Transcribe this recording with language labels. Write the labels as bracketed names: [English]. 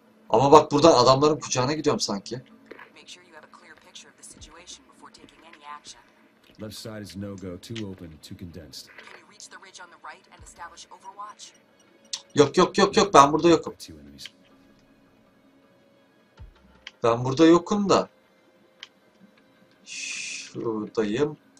[Turkish] Ama bak buradan adamların kucağına gidiyorum sanki. [English] Make sure you have a clear picture of the situation before taking any action. Left side is no go, too open, too condensed. Can you reach the ridge on the right and establish overwatch? [Turkish] Yok yok yok yok, ben burada yokum. Ben burada yokum da. Şuradayım.